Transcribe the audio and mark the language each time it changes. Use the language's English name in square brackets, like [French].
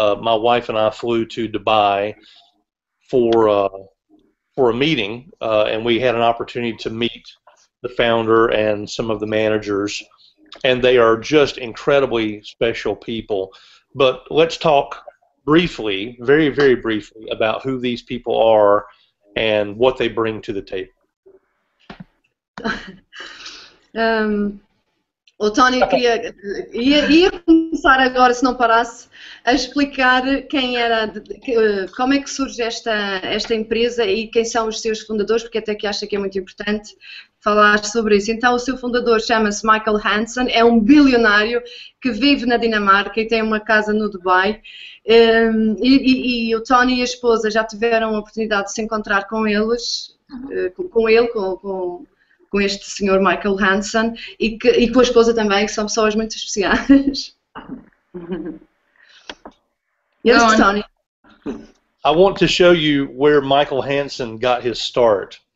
[English] My wife and I flew to Dubai for a meeting, and we had an opportunity to meet the founder and some of the managers, and they are just incredibly special people. But let's talk briefly, very, very briefly, about who these people are and what they bring to the table. [Portuguese] O Tony, queria, ia começar agora, se não parasse, a explicar quem era, como é que surge esta empresa e quem são os seus fundadores, porque até que acha que é muito importante falar sobre isso. Então, o seu fundador chama-se Michael Hansen, é um bilionário que vive na Dinamarca e tem uma casa no Dubai. E o Tony e a esposa já tiveram a oportunidade de se encontrar com eles, com este senhor Michael Hansen e com a esposa também, que são pessoas muito especiais. [English] Yes, Tony. I want to show you where Michael Hansen got his start.